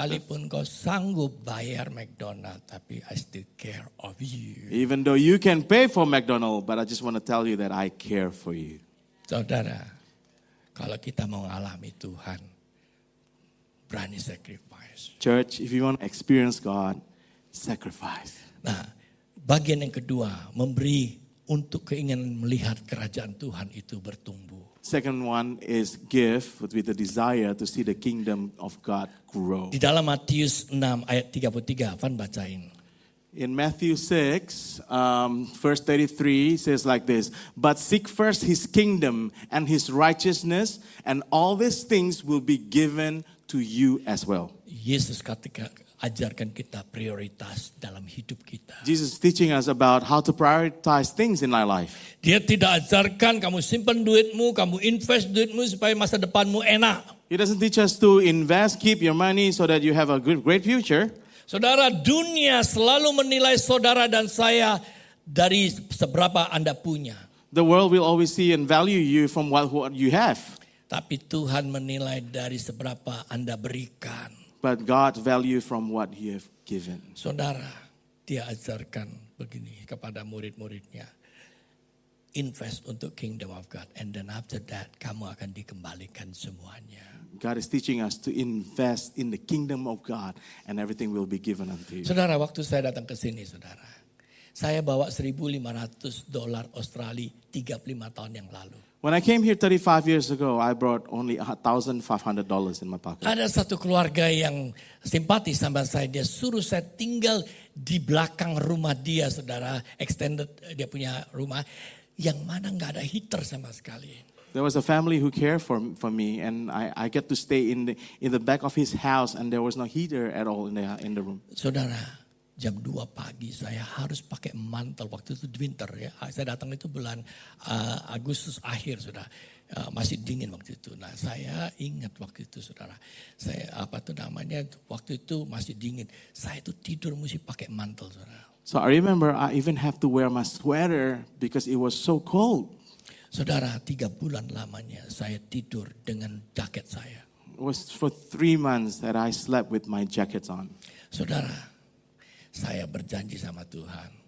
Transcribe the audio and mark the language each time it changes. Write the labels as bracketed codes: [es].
[id] Sekalipun kau sanggup bayar McDonald's, tapi [en] I still care of you. Even though you can pay for McDonald's, but I just want to tell you that I care for you. [id] Saudara, kalau kita mau alami Tuhan, berani sacrifice. [en] Church, if you want to experience God, sacrifice. [id] Nah, bagian yang kedua, memberi untuk keinginan melihat kerajaan Tuhan itu bertumbuh. [en] Second one is give with the desire to see the kingdom of God grow. [id] Di dalam Matius 6 ayat 33, Van bacain. [en] In Matthew 6, verse 33 says like this, but seek first his kingdom and his righteousness and all these things will be given to you as well. [id] Yesus katakan, ajarkan kita prioritas dalam hidup kita. [en] Jesus is teaching us about how to prioritize things in our life. [id] Dia tidak ajarkan kamu simpan duitmu, kamu invest duitmu supaya masa depanmu enak. [en] He doesn't teach us to invest, keep your money so that you have a good, great future. [id] Saudara, dunia selalu menilai saudara dan saya dari seberapa Anda punya. [en] The world will always see and value you from what you have. [id] Tapi Tuhan menilai dari seberapa Anda berikan. [en] But God value from what he have given. [id] Saudara, dia ajarkan begini kepada murid-muridnya. [en] Invest untuk kingdom of God. And then after that, [id] kamu akan dikembalikan semuanya. [en] God is teaching us to invest in the kingdom of God and everything will be given unto you. [id] Saudara, waktu saya datang ke sini, saudara, saya bawa $1,500 Australia 35 tahun yang lalu. [en] When I came here 35 years ago, I brought only $1,500 in my pocket. [id] Ada satu keluarga yang simpati sama saya, dia suruh saya tinggal di belakang rumah dia, saudara, extended dia punya rumah yang mana enggak ada heater sama sekali. [en] There was a family who cared for me and I get to stay in the back of his house and there was no heater at all in the room. [id] Saudara, jam 2 pagi saya harus pakai mantel. Waktu itu winter ya. Saya datang itu bulan Agustus akhir sudah. Masih dingin waktu itu. Nah, saya ingat waktu itu saudara. Saya waktu itu masih dingin. Saya itu tidur mesti pakai mantel saudara. [en] So I remember I even have to wear my sweater because it was so cold. [id] Saudara, 3 bulan lamanya saya tidur dengan jaket saya. [en] It was for 3 months that I slept with my jacket on. [id] Saudara, saya berjanji sama Tuhan.